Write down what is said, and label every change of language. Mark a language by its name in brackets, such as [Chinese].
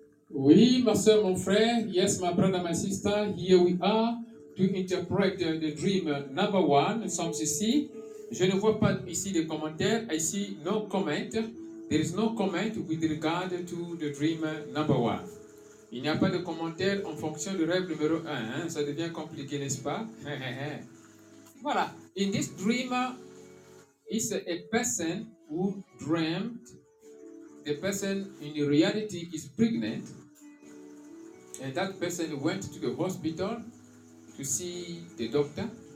[French] Oui, ma soeur, mon frère. [English] Yes, my brother, my sister. Here we are. to interpret the dream number one, Psalm 60. [French] Je ne vois pas ici de commentaires. [English] I see no comment. There is no comment with regard to the dream number one. [French] Il n'y a pas de commentaire en fonction du rêve numéro 1. Hein? Ça devient compliqué, n'est-ce pas? Voilà. [English] In this dream, it's a person who dreamt. The person in reality is pregnant. And that person went to the hospital to see the doctor.